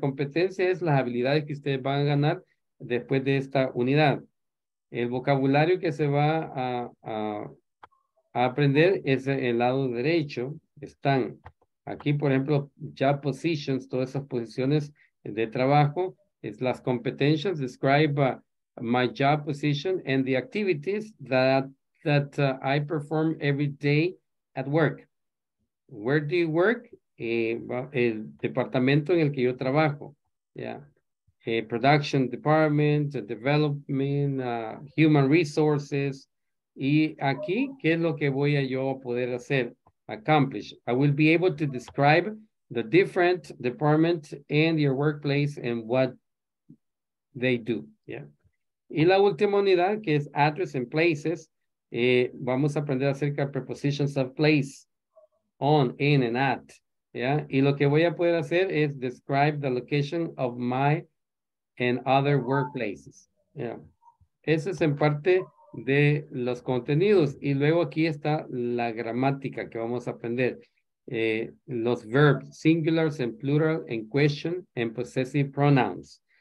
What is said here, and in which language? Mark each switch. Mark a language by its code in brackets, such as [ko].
[es] Competencia es las habilidades que ustedes van a ganar después de esta unidad. El vocabulario que se va a aprender es el lado derecho. Están aquí, por ejemplo, Job Positions, todas esas posiciones de trabajo. Es las competencias, [en] describe my job position and the activities that I perform every day at work. Where do you work? [es] El departamento en el que yo trabajo. Yeah. [en] Production department, development, human resources. [es] Y aquí, ¿qué es lo que voy a yo poder hacer? [en] Accomplish. I will be able to describe the different department and your workplace and what they do. [es] Yeah. Y la última unidad, que es Address and Places, vamos a aprender acerca de [en] prepositions of place, on, in, and at. [es] ¿Ya? Y lo que voy a poder hacer es [en] describe the location of my and other workplaces. ¿Ya? [es] Eso es en parte de los contenidos. Y luego aquí está la gramática que vamos a aprender. [en] Los verbs, singulars and plural, and question, and possessive pronouns.